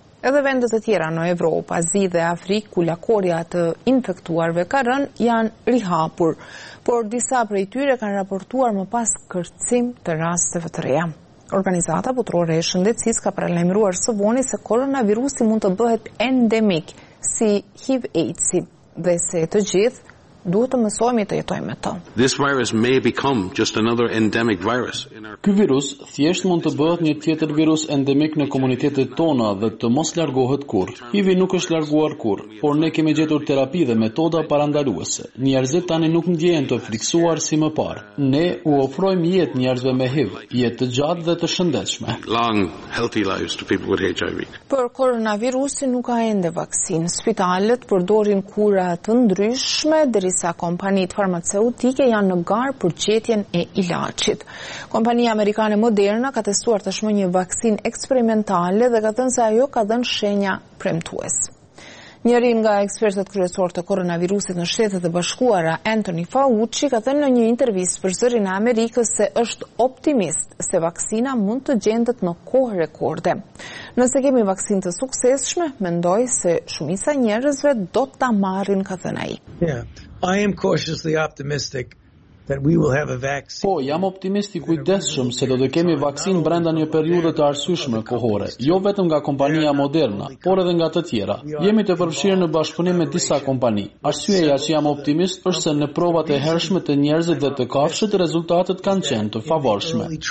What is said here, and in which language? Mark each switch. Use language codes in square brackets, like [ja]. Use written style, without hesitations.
[sq] Edhe vendet e tjera në Evropë, Azi dhe Afrikë, ku lakoria të infektuarve ka rënë, janë rihapur, por disa prej tyre kanë raportuar më pas kërcim të rasteve të reja. Organizata Botërore e Shëndetësisë ka paralajmëruar së vonë se koronavirusi mund të bëhet endemik, si HIV-AIDS, dhe se të gjithë duhet të mësohemi të jetojmë me to. [en] This virus may become just another endemic virus. [sq] Ky virus thjesht mund të bëhet një tjetër virus endemik në komunitetet tona dhe të mos largohet kur. HIV-i nuk është larguar kur, por ne kemi gjetur terapi dhe metoda parandaluese. Njerëzit tani nuk ndjehen të friksuar si më parë. Ne u ofrojmë jetë njerëzve me HIV, jetë të gjatë dhe të shëndetshme. [en] Long healthy lives to people with HIV. [sq] Për koronavirusi nuk ka ende vaksinë. Spitalet përdorin kura të ndryshme derisa kompanitë farmaceutike janë në garë për gjetjen e ilaçit. Kompania amerikane Moderna ka testuar tashmë një vaksin eksperimentale dhe ka thënë se ajo ka dhënë shenja premtues. Njëri nga ekspertët kryesor të koronavirusit në Shtetet e Bashkuara, Anthony Fauci, ka thënë në një intervistë për Zërin e Amerikës se është optimist se vaksina mund të gjendet në kohë rekorde. Nëse kemi vaksinë të suksesshme, mendoj se shumica njerëzve do ta marrin, ka thënë ai. [en] Yeah, I am cautiously optimistic. That we will have a vaccine. [sq] Po, jam optimist i kujdesshëm se do të kemi vaksinë brenda një periudhe të arsyeshme kohore, jo vetëm nga kompania Moderna, por edhe nga të tjera. Jemi të përfshirë në bashkëpunim me disa kompani. Arsyeja që jam optimist është se në provat e hershme të njerëzit dhe të kafshët, rezultatet kanë qenë të favorshme.